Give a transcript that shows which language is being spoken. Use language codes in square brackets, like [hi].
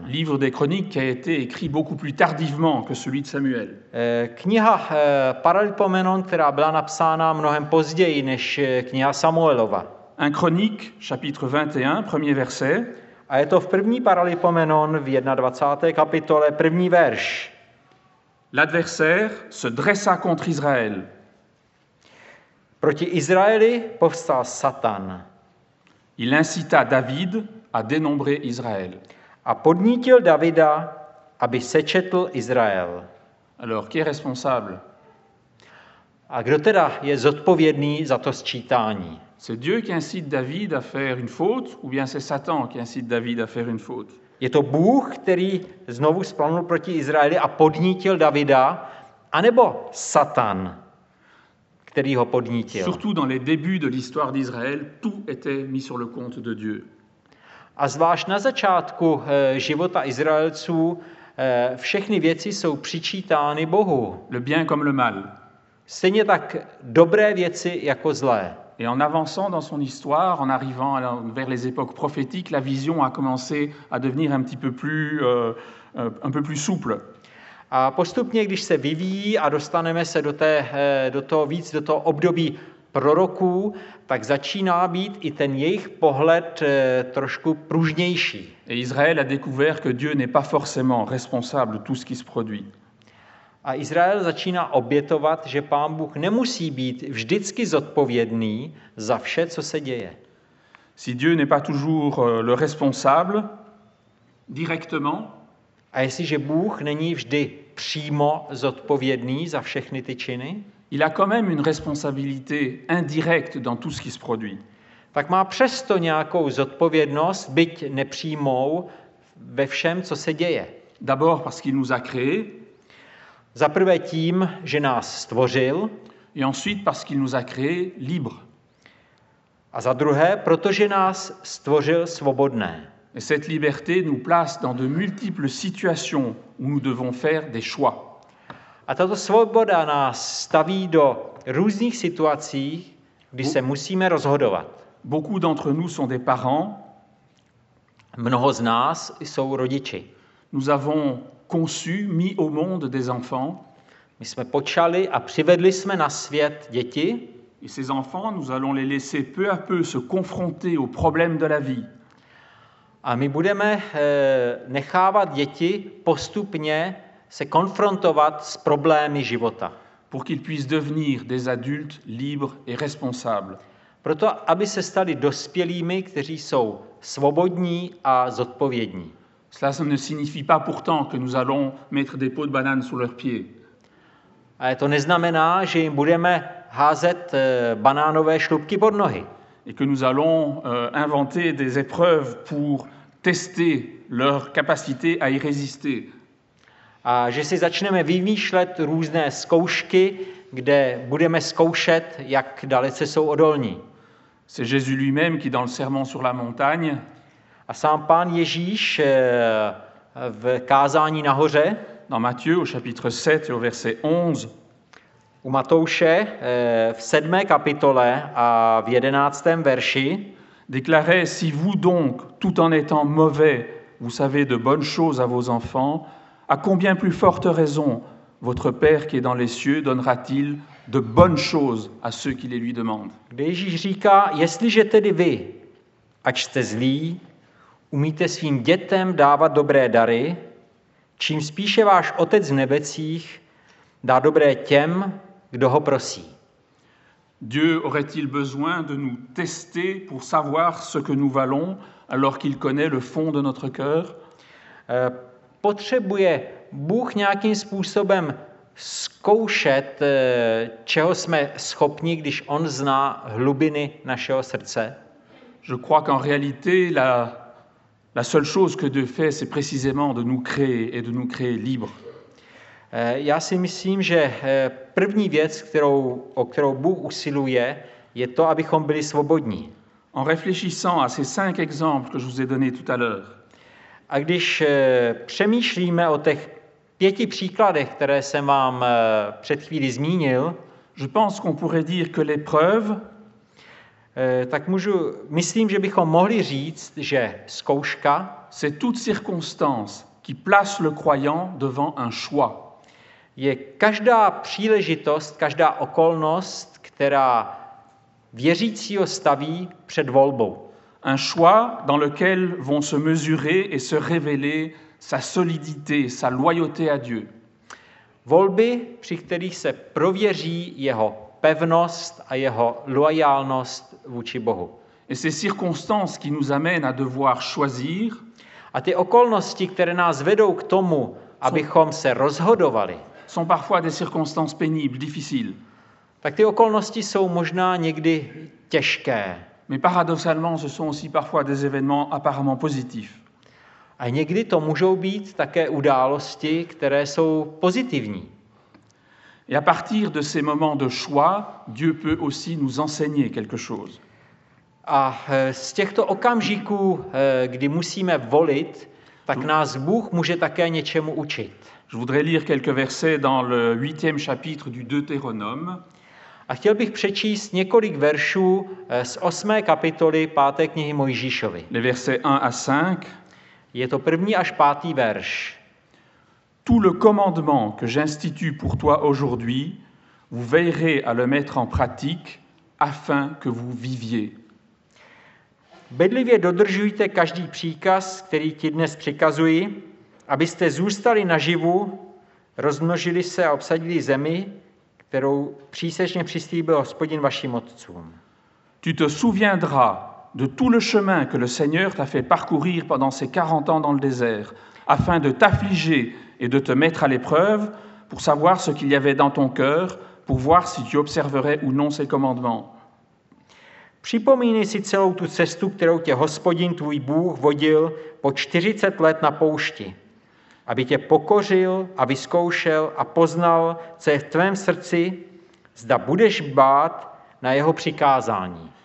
[fr] Livre des Chroniques qui a été écrit beaucoup plus tardivement que celui de Samuel. [cs] Kniha Paralipomenon, která byla napsána mnohem později než kniha Samuelova. [fr] Un chronique, chapitre 21, premier verset. [cs] A je to v první Paralipomenon v 21. kapitole, první verš. [fr] L'adversaire se dressa contre Israël. [cs] Proti Izraeli povstal Satan. [fr] Il incita David à dénombrer Israël. [cs] A podnítil Davida, aby sečetl Izrael. [fr] Alors, qui est responsable? [cs] A kdo teda je zodpovědný za to sčítání? [fr] C'est Dieu qui incite David à faire une faute ou bien c'est Satan qui incite David à faire une faute? [cs] Je to Bůh, který znovu splanul proti Izraeli a podnítil Davida, anebo Satan, který ho podnítil? [fr] Surtout dans les débuts de l'histoire d'Israël, tout était mis sur le compte de Dieu. [cs] A zvlášť na začátku života Izraelců všechny věci jsou přičítány Bohu. [fr] Le bien comme le mal. [cs] Stejně tak dobré věci jako zlé. [fr] Et en avançant dans son histoire, en arrivant vers les époques prophétiques, la vision a commencé à devenir un peu plus souple. [cs] A postupně, když se vyvíjí a dostaneme se do toho období proroků, tak začíná být i ten jejich pohled trošku pružnější. [fr] Et Israël a découvert que Dieu n'est pas forcément responsable de tout ce qui se produit. [cs] A Izrael začíná obětovat, že Pán Bůh nemusí být vždycky zodpovědný za vše, co se děje. [fr] Si Dieu n'est pas toujours le responsable directement. [cs] A jestliže Bůh není vždy přímo zodpovědný za všechny ty činy, [fr] il a quand même une responsabilité indirecte dans tout ce qui se produit. [cs] Tak má přesto nějakou zodpovědnost, byť nepřímou, ve všem, co se děje. [fr] D'abord parce qu'il nous a créés. [cs] Za prvé tím, že nás stvořil. [fr] Et ensuite parce qu'il nous a créés libres. [cs] A za druhé, protože nás stvořil svobodné. [fr] Et cette liberté nous place dans de multiples situations où nous devons faire des choix. [cs] A tato svoboda nás staví do různých situací, kdy se musíme rozhodovat. [fr] Beaucoup d'entre nous sont des parents. [cs] Mnoho z nás jsou rodiči. [fr] Nous avons conçu, mis au monde des enfants. [cs] My jsme počali a přivedli jsme na svět děti. [fr] Et ces enfants, nous allons les laisser peu à peu se confronter aux problèmes de la vie. [cs] A my budeme nechávat děti postupně se konfrontovat s problémy života. [fr] Pour qu'ils puissent devenir des adultes libres et responsables. [cs] Proto, aby se stali dospělými, kteří jsou svobodní a zodpovědní. [fr] Cela ne signifie pas pourtant que nous allons mettre des pots de banane sous leurs pieds. [cs] Ale to neznamená, že jim budeme házet banánové šlupky pod nohy. [fr] Et que nous allons inventer des épreuves pour tester leur capacité à y résister. [cs] A že si začneme vymýšlet různé zkoušky, kde budeme zkoušet, jak dalece jsou odolní. [fr] C'est Jésus lui-même qui dans le sermon sur la montagne. [cs] A sám pán Ježíš v kázání nahoře. [fr] Dans Matthieu au chapitre 7 et au verset 11. [cs] U Matouše v 7. kapitole a v 11. verši. [fr] Déclarait, si vous donc, tout en étant mauvais, vous savez de bonnes choses à vos enfants, à combien plus forte raison votre Père qui est dans les cieux donnera-t-il de bonnes choses à ceux qui les lui demandent. [cs] Kde Ježíš říká, jestliže tedy vy, ač jste zlí, umíte svým dětem dávat dobré dary, čím spíše váš Otec v nebecích dá dobré těm, kdo ho prosí. [fr] Dieu aurait-il besoin de nous tester pour savoir ce que nous valons, alors qu'il connaît le fond de notre cœur? [cs] Potřebuje Bůh nějakým způsobem zkoušet, čeho jsme schopni, když on zná hlubiny našeho srdce? [fr] Je crois qu'en réalité la seule chose que Dieu fait, c'est précisément de nous créer et de nous créer libres. [cs] Já si myslím, že první věc, o kterou Bůh usiluje, je to, abychom byli svobodní. [fr] En réfléchissant à ces cinq exemples que je vous ai donné tout à l'heure. [cs] A když přemýšlíme o těch pěti příkladech, které jsem vám před chvíli zmínil, [fr] je pense qu'on pourrait dire que l'épreuve, [cs] tak myslím, že bychom mohli říct, že zkouška, [fr] c'est toute circonstance qui place le croyant devant un choix. [cs] Je každá příležitost, každá okolnost, která věřícího staví před volbou. [fr] Un choix dans lequel vont se mesurer et se révéler sa solidité, sa loyauté à Dieu. [cs] Volby, při kterých se prověří jeho pevnost a jeho loajálnost vůči Bohu. [fr] Et ces circonstances qui nous amènent à devoir choisir. [cs] A ty okolnosti, které nás vedou k tomu, abychom se rozhodovali. [fr] Sont parfois des circonstances pénibles, difficiles. [cs] Tak ty okolnosti jsou možná někdy těžké. [fr] Mais paradoxalement, ce sont aussi parfois des événements apparemment positifs. [cs] A někdy to můžou být také události, které jsou pozitivní. [fr] Et à partir de ces moments de choix, Dieu peut aussi nous enseigner quelque chose. [cs] A z těchto okamžiků, kdy musíme volit, tak nás Bůh může také něčemu učit. [fr] Je voudrais lire quelques versets dans le 8e chapitre du Deutéronome. [cs] A chtěl bych přečíst několik veršů z 8. kapitoly 5. knihy Mojžíšovy. [fr] Les versets 1 à 5. [cs] Je to první až pátý verš. [fr] Tout le commandement que j'institue pour toi aujourd'hui, vous veillerez à le mettre en pratique afin que vous viviez. [cs] Bedlivě dodržujte každý příkaz, který ti dnes přikazuji, abyste zůstali naživu, rozmnožili se a obsadili zemi, kterou přísežně přislíbil Hospodin vašim otcům. [fr] Tu te souviendras de tout le chemin que le Seigneur t'a fait parcourir pendant ces 40 ans dans le désert, afin de t'affliger et de te mettre à l'épreuve pour savoir ce qu'il y avait dans ton cœur, pour voir si tu observerais ou non ses commandements. [cs] Připomínej si celou tu cestu, kterou tě Hospodin tvůj Bůh vodil po 40 let na poušti, aby tě pokořil a vyzkoušel a poznal, co je v tvém srdci, zda budeš bát na jeho přikázání.